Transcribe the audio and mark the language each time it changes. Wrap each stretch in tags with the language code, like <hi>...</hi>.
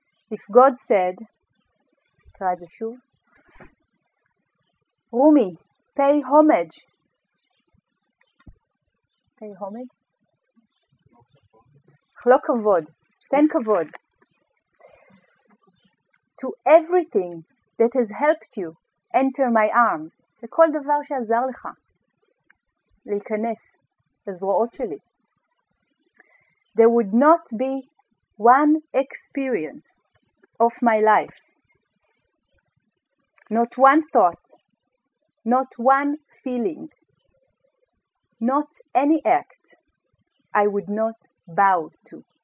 <en>If God said, try the shoe, Rumi, pay homage. Pay homage?</en> <he>חלוק כבוד. תן כבוד.</he> <en>To everything that has helped you enter my arms.</en> <he>לכל דבר שעזר לך להיכנס לזרועות שלי.</he> <en>There would not be one experience of my life. Not one thought. Not one feeling, not any act I would not bow to.</en>